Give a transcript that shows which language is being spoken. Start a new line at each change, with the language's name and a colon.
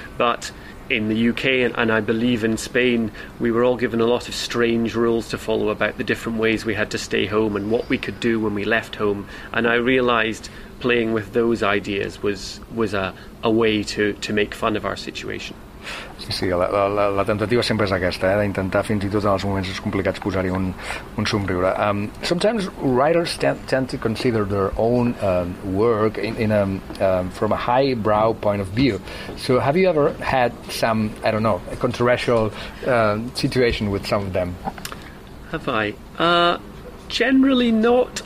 English: But in the UK, and I believe in Spain, we were all given a lot of strange rules to follow about the different ways we had to stay home and what we could do when we left home. And I realised playing with those ideas was a way to make fun of our situation.
Catalan: Sí, la tentativa sempre és aquesta, d'intentar fins i tot en els moments més complicats posar-hi un somriure.
English: Sometimes writers tend to consider their own work from a highbrow point of view. So have you ever had some, I don't know, a controversial situation with some of them? Have I? Generally not.